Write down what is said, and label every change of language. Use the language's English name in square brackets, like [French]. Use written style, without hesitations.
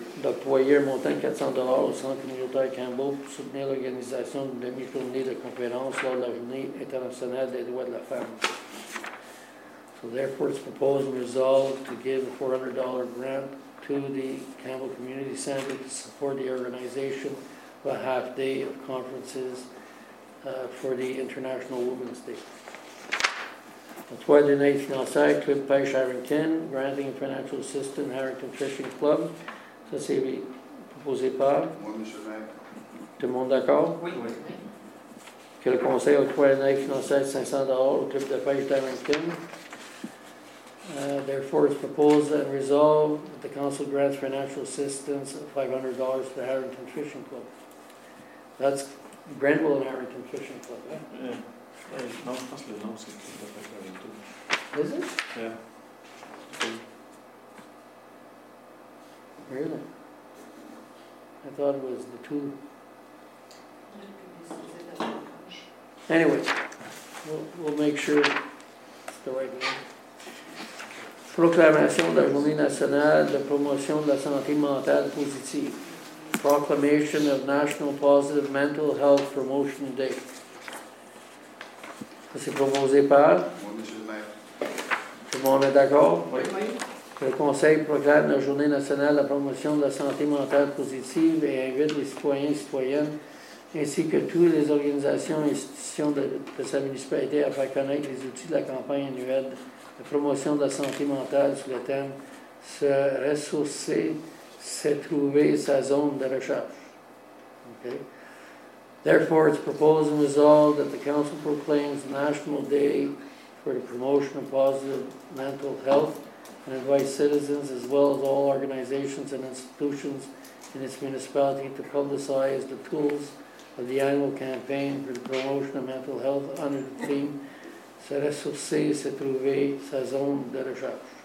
[French] D'octroyer un montant de $400 au Centre communautaire Campbell pour soutenir l'organisation d'une demi-tournée de conférences lors de la Journée internationale des droits de la femme. [English] So, therefore, it's proposed and resolved to give a $400 grant to the Campbell Community Center to support the organization of a half-day of conferences for the International Women's Day. [French] Octroi d'une aide financière, Club Pêche Harrington, [English] granting financial assistance, Harrington Fishing Club. [French] Ça, c'est proposé par? Moi, M. le maire. Tout le monde d'accord? Oui. Que le conseil octroie d'une aide financière de $500 au Club de Pêche d'Harrington. [English] Therefore, it's proposed and resolved that the council grants financial assistance of $500 to the Harrington Fishing Club. That's Grenville and Harrington Fishing Club, eh? Yeah. [French] Non, je pense que le nom, c'est le Club de Pêche Harrington. [English] Is it? Yeah. Really? I thought it was the two. Anyway, we'll make sure it's the right one. [French] Proclamation de la Journée nationale de promotion de la santé mentale positive. [English] Proclamation of National Positive Mental Health Promotion Day. [French] C'est proposé par? Moi, M. le maire. Tout le monde est d'accord? Oui. Le conseil proclame la Journée nationale de la promotion de la santé mentale positive et invite les citoyens et citoyennes ainsi que toutes les organisations et institutions de sa municipalité à faire connaître les outils de la campagne annuelle de promotion de la santé mentale sous le thème « Se ressourcer, c'est trouver sa zone de recherche ». OK. [English] Therefore, it's proposed and resolved that the Council proclaims National Day for the Promotion of Positive Mental Health and invites citizens as well as all organizations and institutions in its municipality to publicize the tools of the annual campaign for the promotion of mental health under the theme [French] Se ressourcer, se trouver sa zone de recherche.